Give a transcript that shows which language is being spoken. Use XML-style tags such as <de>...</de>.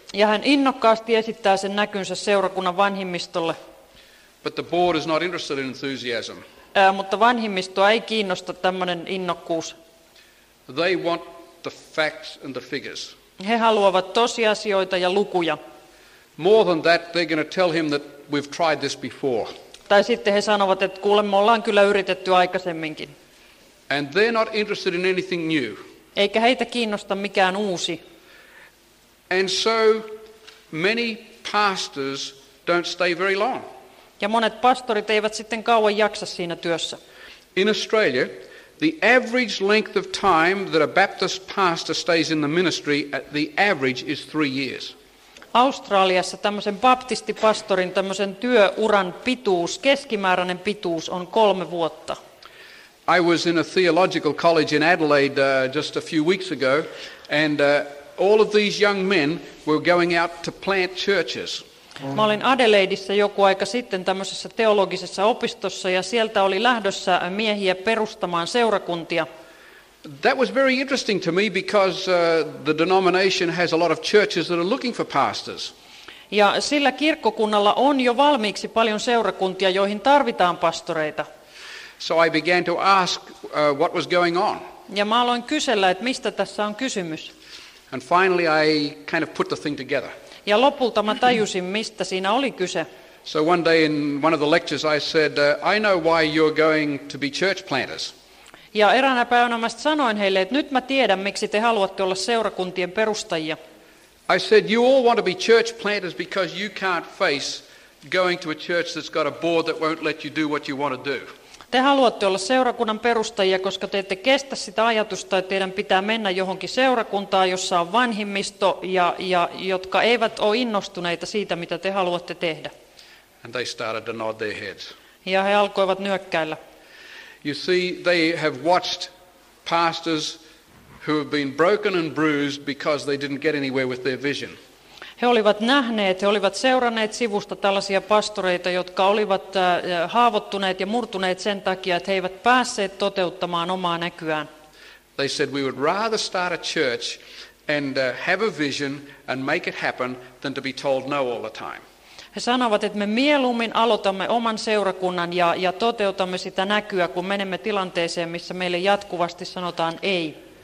<fi>Ja hän innokkaasti esittää sen näkynsä seurakunnan vanhimmistolle.</fi> <en>But the board is not interested in enthusiasm.</en> <fi>Mutta vanhimmistoa ei kiinnosta tämmöinen innokkuus.</fi> <en>They want the facts and the figures.</en> <fi>He haluavat tosiasioita ja lukuja.</fi> <en>More than that, they're going to tell him that we've tried this before.</en> <fi>Tai sitten he sanovat, että kuule, me ollaan kyllä yritetty aikaisemminkin.</fi> <en>And they're not interested in anything new.</en> <fi>Eikä heitä kiinnosta mikään uusi.</fi> <en>And so many pastors don't stay very long.</en> <fi>Ja monet pastorit eivät sitten kauan jaksa siinä työssä.</fi> <en>In Australia, the average length of time that a Baptist pastor stays in the ministry, at the average, is 3 years.</en> <fi>Australiassa tämmöisen baptistipastorin tämmöisen työuran pituus, keskimääräinen pituus, on 3 vuotta.</fi> <en>I was in a theological college in Adelaide just a few weeks ago, and all of these young men were going out to plant churches.</en> <fi>Mä olin Adelaidissa joku aika sitten tämmöisessä teologisessa opistossa, ja sieltä oli lähdössä miehiä perustamaan seurakuntia.</fi> <en>That was very interesting to me because the denomination has a lot of churches that are looking for pastors.</en> <fi>Ja sillä kirkkokunnalla on jo valmiiksi paljon seurakuntia, joihin tarvitaan pastoreita.</fi> <en>So I began to ask what was going on.</en> <fi>Ja mä aloin kysellä, että mistä tässä on kysymys.</fi> <en>And finally I kind of put the thing together.</en> <fi>Ja lopulta mä tajusin, mistä siinä oli kyse.</fi> <en>So one day in one of the lectures I said, I know why you're going to be church planters.</en> <fi>Ja eräänä päivänä mä sanoin heille, että nyt mä tiedän, miksi te haluatte olla seurakuntien perustajia.</fi> <en>I said, you all want to be church planters because you can't face going to a church that's got a board that won't let you do what you want to do.</en> <fi>Te haluatte olla seurakunnan perustajia, koska te ette kestä sitä ajatusta, että teidän pitää mennä johonkin seurakuntaan, jossa on vanhimmisto ja jotka eivät ole innostuneita siitä, mitä te haluatte tehdä.</fi> <en>And they started to nod their heads.</en> <fi>Ja he alkoivat nyökkäillä.</fi> <en>You see, they have watched pastors who have been broken and bruised because they didn't get anywhere with their vision.</en> <fi>He olivat nähneet, he olivat seuranneet sivusta tällaisia pastoreita, jotka olivat haavoittuneet ja murtuneet sen takia, että he eivät päässeet toteuttamaan omaa näkyään.</fi> <en>They said we would rather start a church and have a vision and make it happen than to be told no all the time.</en> <fi>He sanovat, että me mieluummin aloitamme oman seurakunnan ja toteutamme sitä näkyä, kun menemme tilanteeseen, missä meille jatkuvasti sanotaan ei.</fi>